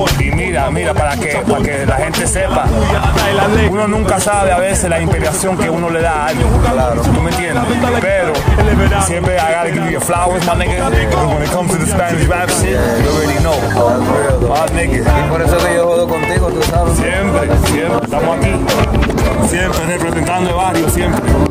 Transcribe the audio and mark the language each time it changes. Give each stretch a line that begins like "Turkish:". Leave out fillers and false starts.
Spanish: Y mira, para que la gente sepa, uno nunca sabe a veces la inspiración que uno le da a alguien. Claro. ¿Tú me entiendes? Pero siempre
English: I gotta give you flowers, my nigga. Yeah. When it comes to the Spanish rap shit, you already know. My nigga.
Spanish: Y por eso que yo jodo contigo, tú sabes. Siempre. Estamos aquí. Siempre representando el barrio, siempre.